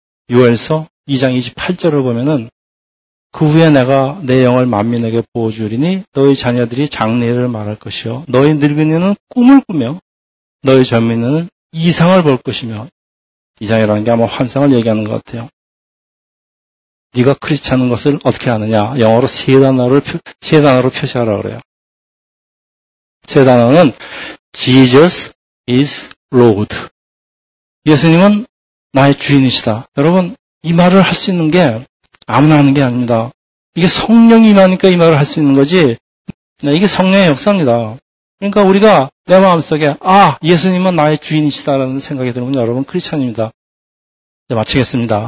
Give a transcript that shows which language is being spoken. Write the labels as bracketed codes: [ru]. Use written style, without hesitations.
[ko] 요엘서 2장 28절을 보면은 그 후에 내가 내 영을 만민에게 부어주리니 너희 자녀들이 장래를 말할 것이요 너희 늙은이는 꿈을 꾸며 너희 젊은이는 이상을 볼 것이며 이상이라는 게 아마 환상을 얘기하는 것 같아요. 네가 크리스찬인 것을 어떻게 아느냐? 영어로 세 단어로 표시하라 그래요. 세 단어는 [en] Jesus is Lord. [ko] 예수님은 나의 주인이시다. 여러분 이 말을 할 수 있는 게 아무나 하는 게 아닙니다. 이게 성령이 임하니까 이 말을 할 수 있는 거지. 이게 성령의 역사입니다. 그러니까 우리가 내 마음속에 아 예수님은 나의 주인이시다라는 생각이 들면 여러분 크리스찬입니다. 이제 마치겠습니다.